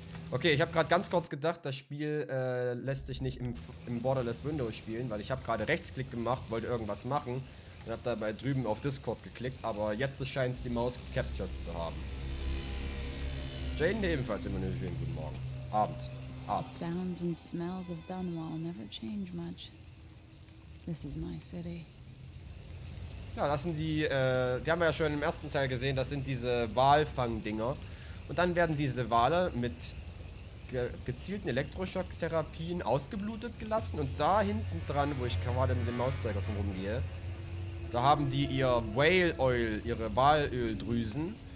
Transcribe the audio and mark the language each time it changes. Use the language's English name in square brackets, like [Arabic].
[German] Okay, ich habe gerade ganz kurz gedacht, das Spiel lässt sich nicht im Borderless Window spielen, weil ich habe gerade Rechtsklick gemacht, wollte irgendwas machen und habe dabei drüben auf Discord geklickt, aber jetzt scheint es die Maus gecaptured zu haben. Jane ebenfalls immer einen schönen guten Morgen. Abend. Abend. [English] The sounds and smells of Dunwall never change much. This is my city. [German] Ja, das sind die, die haben wir ja schon im ersten Teil gesehen, das sind diese Walfangdinger. Und dann werden diese Wale mit gezielten Elektroschocktherapien ausgeblutet gelassen. Und da hinten dran, wo ich gerade mit dem Mauszeiger drumherum gehe, da haben die ihr Whale Oil, ihre Walöldrüsen.